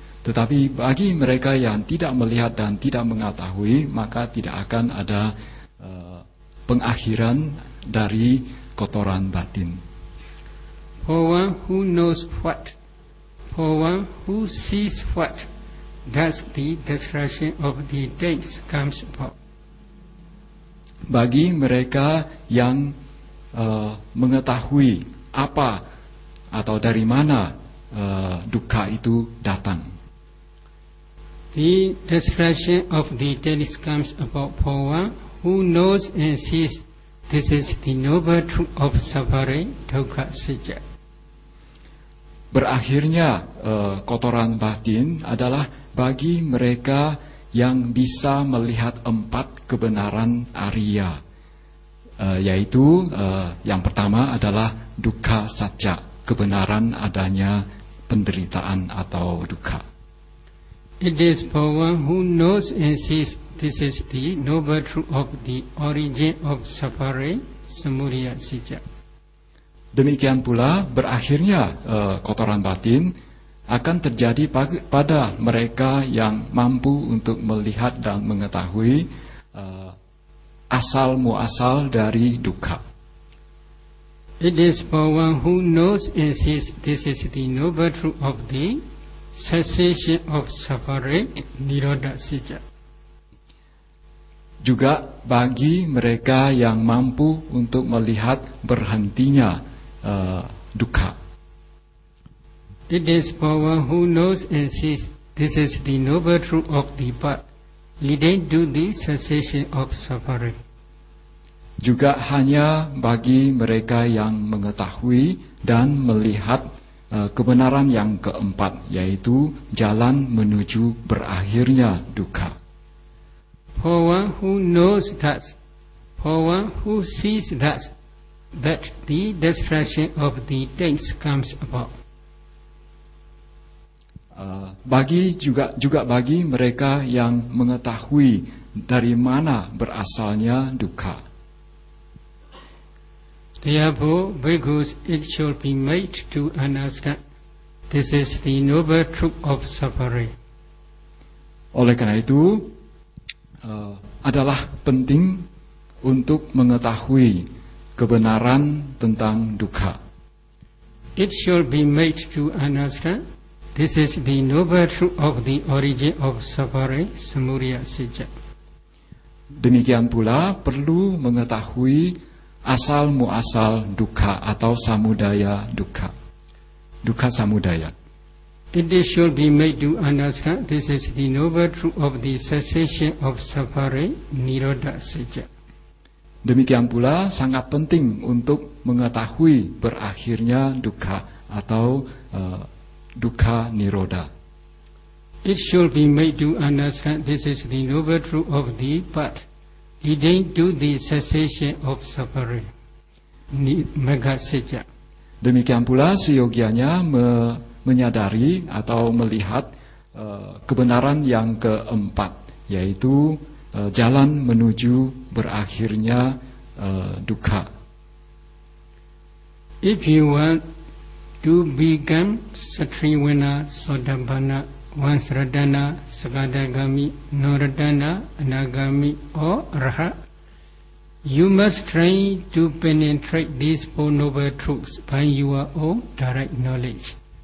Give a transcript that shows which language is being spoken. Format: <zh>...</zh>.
<id>Tetapi bagi mereka yang tidak melihat dan tidak mengetahui, maka tidak akan ada pengakhiran dari kotoran batin.</id> <en>For one who knows what, for one who sees what, that's the destruction of the taints comes about.</en> <id>Bagi mereka yang mengetahui apa atau dari mana dukkha itu datang.</id> <en>The destruction of the taints comes about for one who knows and sees this is the noble truth of suffering, dukkha, sejja.</en> <id>Berakhirnya kotoran batin adalah bagi mereka yang bisa melihat empat kebenaran ariya. Yaitu yang pertama adalah dukkha sacca, kebenaran adanya penderitaan atau dukkha.</id> <en>It is for one who knows and sees this is the noble truth of the origin of suffering, samudaya sacca.</en> <id>Demikian pula berakhirnya kotoran batin akan terjadi pada mereka yang mampu untuk melihat dan mengetahui asal muasal dari dukkha.</id> <en>It is for one who knows and sees this is the noble truth of the cessation of suffering, nirodha sejja.</en> <id>Juga bagi mereka yang mampu untuk melihat berhentinya dukkha.</id> <en>It is for one who knows and sees this is the noble truth of the path leading to the cessation of suffering.</en> <id>Juga hanya bagi mereka yang mengetahui dan melihat kebenaran yang keempat, yaitu jalan menuju berakhirnya dukkha.</id> <en>For one who knows that, for one who sees that, that the destruction of the taints comes about.</en> <id>Bagi mereka yang mengetahui dari mana berasalnya dukkha.</id> <en>Therefore, bhikkhus, it shall be made to understand this is the noble truth of suffering.</en> <id>Oleh karena itu, adalah penting untuk mengetahui kebenaran tentang dukkha.</id> <en>It shall be made to understand this is the noble truth of the origin of suffering, samudaya sejja.</en> <id>Demikian pula perlu mengetahui asal muasal dukkha atau samudaya dukkha. Dukkha samudaya.</id> <en>It shall be made to understand this is the noble truth of the cessation of suffering, nirodha sejja.</en> <id>Demikian pula sangat penting untuk mengetahui berakhirnya dukkha atau dukkha nirodha.</id> <en>It shall be made to understand this is the noble truth of the path leading to the cessation of suffering, nirodha sejja.</en> <id>Demikian pula seyogianya menyadari atau melihat kebenaran yang keempat, yaitu jalan menuju berakhirnya dukkha.</id> <en>If you want to become Satriwana, Sodabana, Vansradana, Sagadagami, Noradana, Anagami, or Raha, you must try to penetrate these four noble truths by your own direct knowledge.</en>